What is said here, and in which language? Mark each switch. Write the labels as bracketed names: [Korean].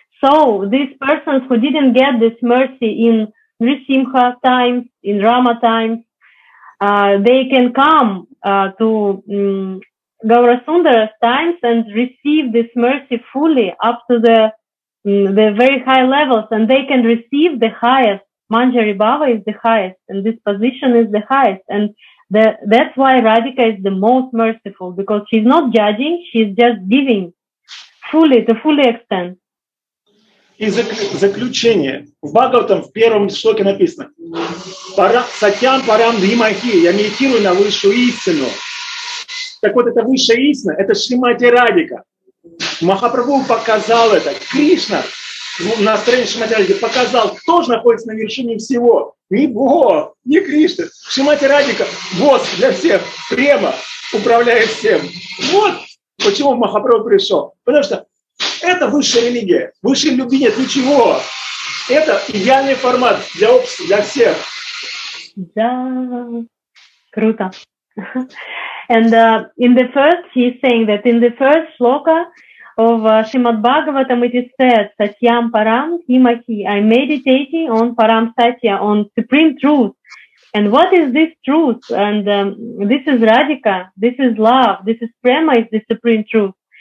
[English] So these persons who didn't get this mercy in Nrisimha times, in Rama times, they can come to Gaurasundara's times and receive this mercy fully up to the very high levels, and they can receive the highest. Manjari Bhava is the highest, and this position is the highest, and that's why Radhika is the most merciful, because she's not judging, she's just giving fully, to fully extent. [Russian] И заключение. В Бхагаватам в первом шлоке написано: [Sanskrit] «Сатьям парам дхимахи, [Russian] я медитирую на высшую истину». Так вот, это высшая истина, это Шримати Радика. Махапрабху показал это. Кришна на стороне Шримати Радики показал, кто же находится на вершине всего. Не Бог, не Кришна. Шримати Радика, босс для всех, према, управляет всем. Вот почему Махапрабху пришел. Потому что это высшая религия. Высшей любви нет ничего. Это идеальный формат для общества, для всех. Да, круто. [English] And in the first, he's saying that in the first shloka of Shrimad Bhagavatam, it is said, [Sanskrit] Satyam Param Himahi, [English] I'm meditating on Param Satya, on Supreme Truth. And what is this truth? And this is Radhika, this is love, this is Prema, is the Supreme Truth.